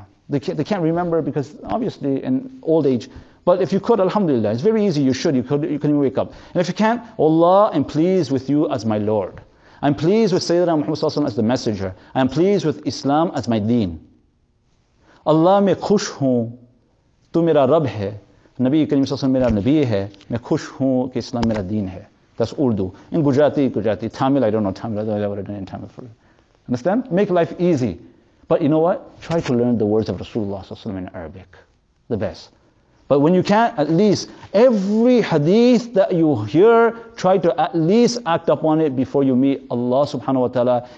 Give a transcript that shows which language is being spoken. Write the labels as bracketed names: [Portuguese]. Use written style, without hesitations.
[English] They can't remember because obviously in old age. But if you could, alhamdulillah, it's very easy, you can even wake up. And if you can't, Allah, I'm pleased with you as my Lord. I'm pleased with Sayyidina Muhammad as the messenger. I'm pleased with Islam as my deen. [Urdu] Allah, میں خوش ہوں تو میرا رب ہے نبی کریم صلی اللہ علیہ وسلم میرا نبی ہے میں خوش ہوں کہ اسلام میرا دین ہے. [English] That's Urdu. In Gujarati, Tamil, I don't know Tamil. Understand? Make life easy. But you know what? Try to learn the words of Rasulullah sallallahu alaihi wasallam in Arabic. The best. But when you can't, at least every hadith that you hear, try to at least act upon it before you meet Allah subhanahu wa ta'ala.